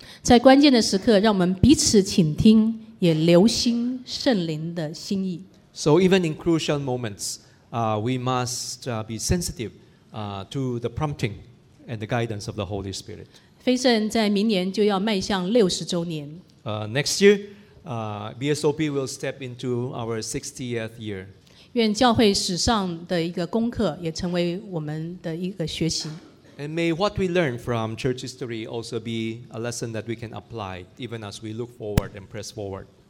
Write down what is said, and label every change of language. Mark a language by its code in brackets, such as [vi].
[zh] 在关键的时刻，让我们彼此倾听，也留心圣灵的心意。 [en] So even in crucial moments, we must be sensitive to the prompting and the guidance of the Holy Spirit. [zh] 飞盛在明年就要迈向60周年。 [en] Next year, BSOP will step into our 60th year. [zh] 愿教会史上的一个功课也成为我们的一个学习。 [en] And may what we learn from church history also be a lesson that we can apply even as we look forward and press forward.